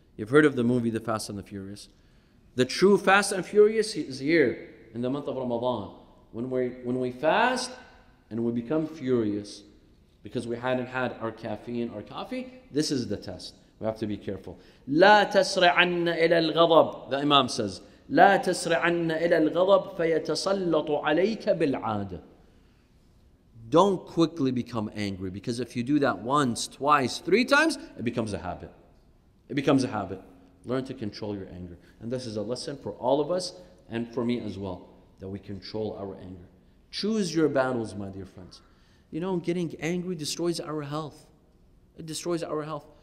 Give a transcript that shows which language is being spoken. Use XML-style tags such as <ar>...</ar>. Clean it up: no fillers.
<en>You've heard of the movie The Fast and the Furious. The true Fast and Furious is here. in the month of Ramadan. When we fast and we become furious because we hadn't had our caffeine, our coffee, this is the test. We have to be careful.</en> <ar>لا تسرعن إلى الغضب.</ar> <en>The Imam says,</en> <ar>لا تسرعن إلى الغضب فيتسلط عليك بالعادة.</ar> <en>Don't quickly become angry, because if you do that once, twice, three times, it becomes a habit. It becomes a habit. Learn to control your anger. And this is a lesson for all of us and for me as well, that we control our anger. Choose your battles, my dear friends. You know, getting angry destroys our health. It destroys our health.</en>